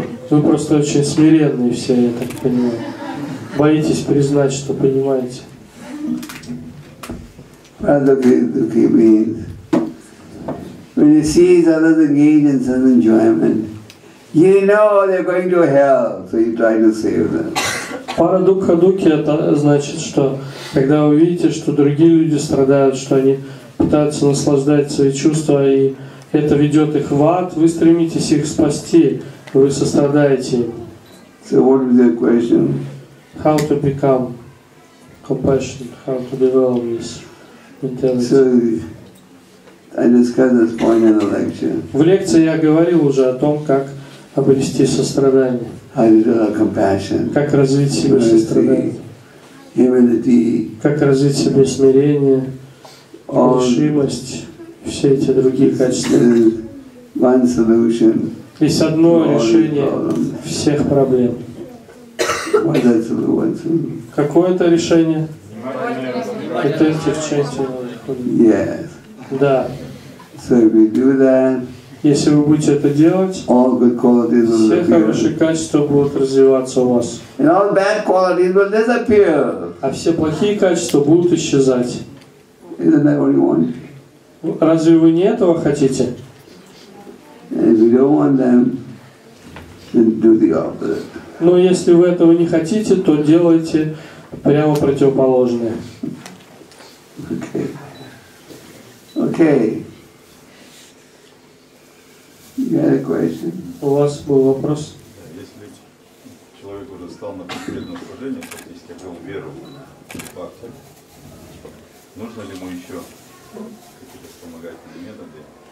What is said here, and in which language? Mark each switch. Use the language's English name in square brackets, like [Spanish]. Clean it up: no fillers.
[Russian] Вы просто очень смиренные все, я так понимаю. Боитесь признать, что понимаете. [English] Paradukha-dukhi means when you see others engaged in some enjoyment, you know they're going to hell, so you try to save them. [Russian] Парадукха-дукхи — это значит, что когда вы видите, что другие люди страдают, что они пытаются наслаждать свои чувства, и это ведет их в ад, вы стремитесь их спасти, вы сострадаете им. [English] So what is your question? How to become compassionate, how to develop this mentality? I discussed this point in the lecture. [Russian] В лекции я говорил уже о том, как обрести сострадание. [English] How to develop compassion. [Russian] Как развить себе сострадание. [English] Humility. [Russian] Как развить себе смирение, решимость, все эти другие качества. [English] One solution. [Russian] Есть одно решение всех проблем. [English] What is that solution? [Russian] Какое это решение? Это эти в части. [English] Yes. [Russian] Да. [English] So if you do that, [Russian] если вы будете это делать, [English] all good qualities will [Russian] все хорошие качества будут развиваться у вас. [English] And all bad qualities will disappear. [Russian] А все плохие качества будут исчезать. [English] Isn't that what you want? [Russian] Разве вы не этого хотите? [English] If you don't want them, then do the opposite. [Russian] Но если вы этого не хотите, то делайте прямо противоположное. [English] Okay. Okay. You had a question? [Russian] У вас был вопрос? Если человек уже стал на последнем служении, то есть обрел веру в факте, нужно ли ему еще какие-то вспомогательные методы?